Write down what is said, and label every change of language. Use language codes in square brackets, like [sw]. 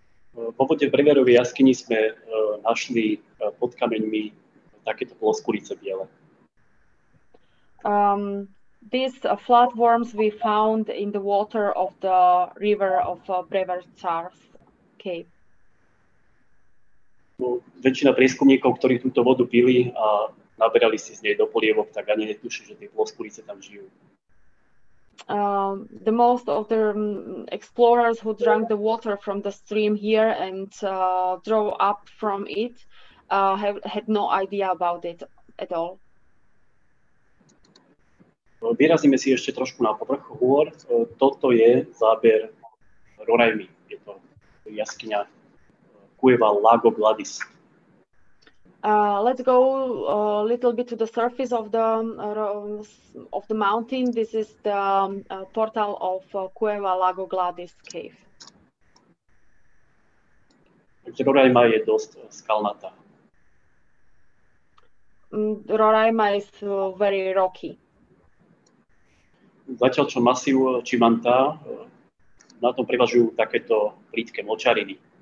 [sk] Po vode v Breverovej jaskyni sme našli pod kameňmi takéto ploskulice biele. [en] These flatworms we found in the water of the river of Brever Charles cave. [sk] Väčšina prieskumníkov, ktorí túto vodu pili a naberali si z nej do polievok, tak ani netuší, že tie ploskulice tam žijú. [en] The most of the explorers who drank the water from the stream here and drove up from it had no idea about it at all. [sk] Vyrazíme si ešte trošku na povrch hôr. Toto je záber Roraimi. Je to jaskyňa Cueva Lago Gladys. [en] Let's go a little bit to the surface of the mountain. This is the portal of Cueva Lago Gladys cave. [sk] Roraima je dosť skalnatá. [en] Roraima is very rocky. [sk] Zatiaľ čo masív Čimanta, na tom prevažujú takéto prítke močariny.